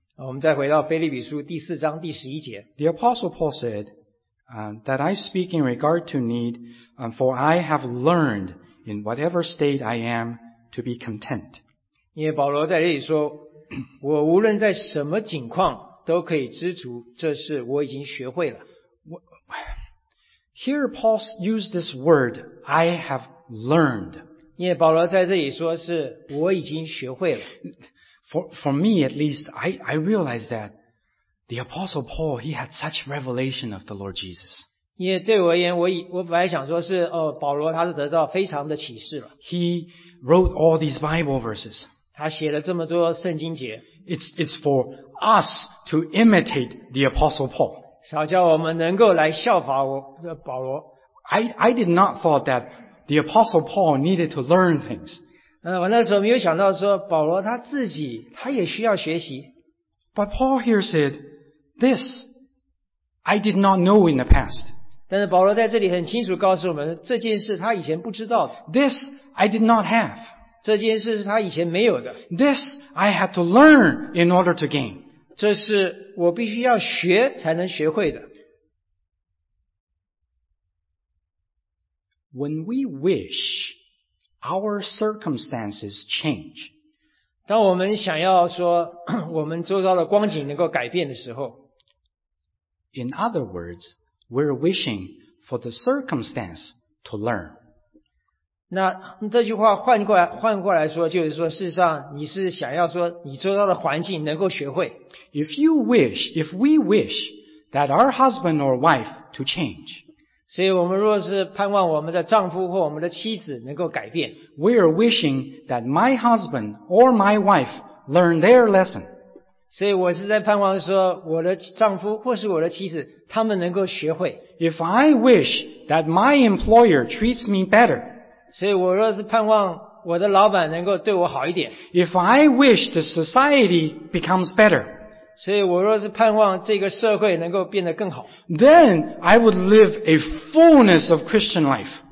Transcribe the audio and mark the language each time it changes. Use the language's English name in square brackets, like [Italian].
[Chinese] 我们再回到腓立比书第四章第十一节。 [English] The Apostle Paul said, that I speak in regard to need, for I have learned in whatever state I am to be content. [Chinese] 因为保罗在这里说，我无论在什么境况都可以知足，这是我已经学会了。 [English] Here Paul used this word, I have learned. [Chinese] 因为保罗在这里说是我已经学会了。 [English] For me at least, I realized that the Apostle Paul, he had such revelation of the Lord Jesus. [Chinese] 因为对我而言，我本来想说是哦，保罗他是得到非常的启示了。 [English] He wrote all these Bible verses. [Chinese] 他写了这么多圣经节。 [English] It's for us to imitate the Apostle Paul. [Chinese] 少叫我们能够来效法我的保罗。 [English] I did not thought that the Apostle Paul needed to learn things. [Chinese] 我那时候没有想到说保罗他自己他也需要学习。 [English] But Paul here said, this, I did not know in the past. [Chinese] 但是保罗在这里很清楚告诉我们这件事他以前不知道的。 [English] This, I did not have. [Chinese] 这件事是他以前没有的。 [English] This, I had to learn in order to gain. [Chinese] 这是我必须要学才能学会的。 [English] When we wish our circumstances change, [Chinese] 当我们想要说我们周遭的光景能够改变的时候 [English] ，In other words, we're wishing for the circumstance to learn. [Chinese] 那这句话换过来说，就是说，事实上你是想要说你周遭的环境能够学会。 [English] If you wish, if we wish that our husband or wife to change, [Chinese] 所以我们若是盼望我们的丈夫或我们的妻子能够改变， [English] we are wishing that my husband or my wife learn their lesson. [Chinese] 所以我是在盼望说我的丈夫或是我的妻子他们能够学会。 [English] If I wish that my employer treats me better, [Chinese] 所以我若是盼望我的老板能够对我好一点。 [English] If I wish the society becomes better, [Chinese] 所以我若是盼望这个社会能够变得更好。 [English] Then I would live a fullness of Christian life.